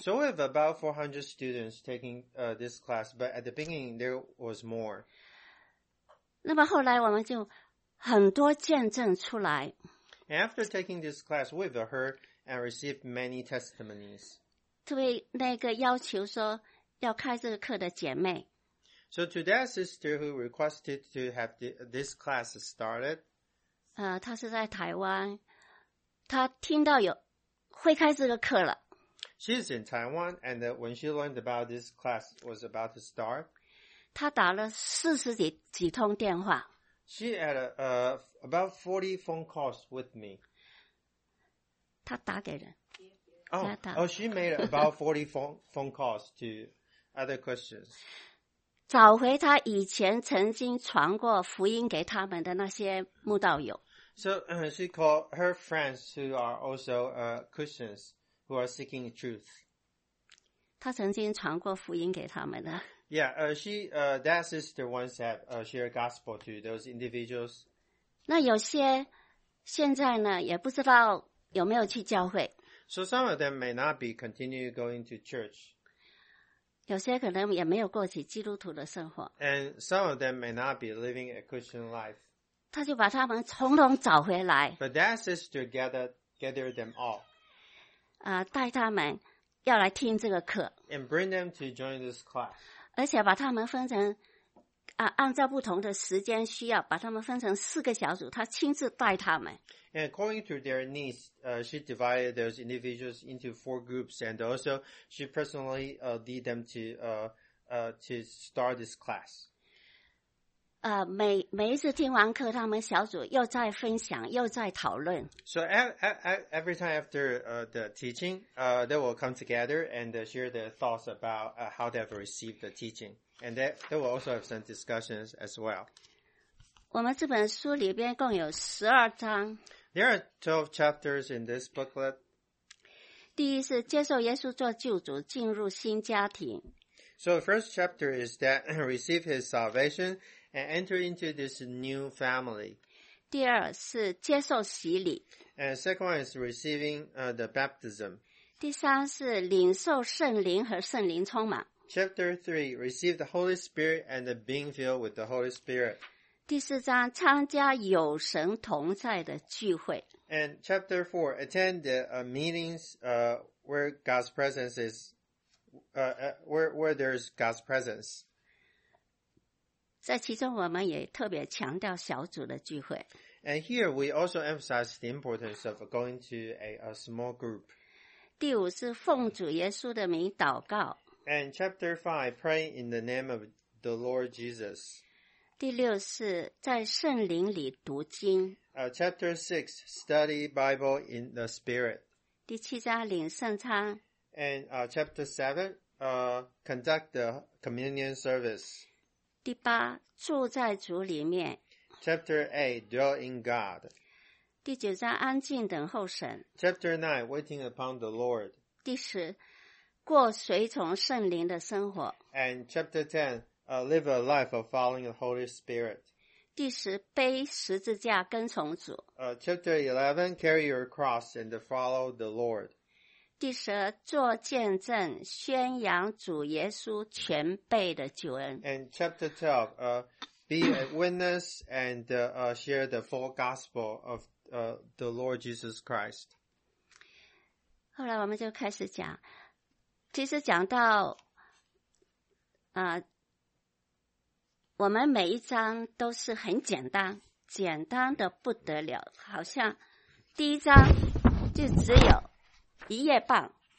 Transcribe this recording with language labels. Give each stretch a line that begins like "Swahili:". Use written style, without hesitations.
English: So we have about 400 students taking this class, but at the beginning there was more.
Chinese: 那么后来我们就很多见证出来。
English: And after taking this class, we've heard and received many testimonies.
Chinese: 特别那个要求说要开这个课的姐妹。
English: So to that sister who requested to have this class started.
Chinese: 她是在台湾，她听到有会开这个课了。
English: She's in Taiwan, and when she learned about this class was about to start,
Chinese: 她打了40几通电话。
English: She had about 40 phone calls with me.
Chinese: 她打给人。
English: She made about 40 phone calls to other Christians.
Chinese: 找回她以前曾经传过福音给他们的那些慕道友。
English: So she called her friends who are also Christians who are seeking truth.
Chinese: 她曾经传过福音给他们的。
English: Yeah, she, that sister once had shared gospel to those individuals.
Chinese: 那有些现在呢也不知道有没有去教会。
English: So some of them may not be continue going to church.
Chinese: 有些可能也没有过起基督徒的生活。
English: And some of them may not be living a Christian life.
Chinese: 他就把他们从容找回来。
English: But that sister gathered them all.
Chinese: 带他们要来听这个课。
English: And bring them to join this class.
Chinese: 而且把他们分成按照不同的时间需要把他们分成四个小组他亲自带他们。
English: And according to their needs, she divided those individuals into four groups and also she personally lead them to start this class.
Chinese: 每一次听完课他们小组又在分享又在讨论。
English: So every time after the teaching, they will come together and share their thoughts about how they have received the teaching. And they will also have some discussions as well.
Chinese: 我们这本书里边共有12章。
English: There are 12 chapters in this booklet.
Chinese: 第一是接受耶稣做救主进入新家庭。
English: So the first chapter is that receive his salvation,and enter into this new family.
Chinese: 第二是接受洗礼。
English: And the second one is receiving the baptism.
Chinese: 第三是领受圣灵和圣灵充满。
English: Chapter 3, receive the Holy Spirit and being filled with the Holy Spirit.
Chinese: 第四章参加有神同在的聚会。
English: And chapter 4, attend the meetings where God's presence is, where there's God's presence.
Chinese: 在其中我们也特别强调小组的聚会。
English: And here we also emphasize the importance of going to a small group.
Chinese: 第五是奉主耶稣的名祷告。
English: And chapter 5, pray in the name of the Lord Jesus.
Chinese: 第六是在圣灵里读经。
English: Chapter 6, study Bible in the Spirit.
Chinese: 第七章领圣餐。
English: And chapter 7, conduct the communion service.
Chinese: 第八住在主里面
English: Chapter 8 Dwell in God
Chinese: 第九章安静等候神
English: Chapter 9 Waiting upon the Lord
Chinese: 第十过随从圣灵的生活
English: And Chapter 10 Live a life of following the Holy Spirit
Chinese: 第十背十字架跟从主
English: Chapter 11 Carry your cross and follow the Lord
Chinese: 第十做见证宣扬主耶稣全备的救恩
English: And chapter 12 be a witness and share the full gospel of the Lord Jesus Christ
Chinese: 后来我们就开始讲其实讲到我们每一章都是很简单简单的不得了好像第一章就只有一页半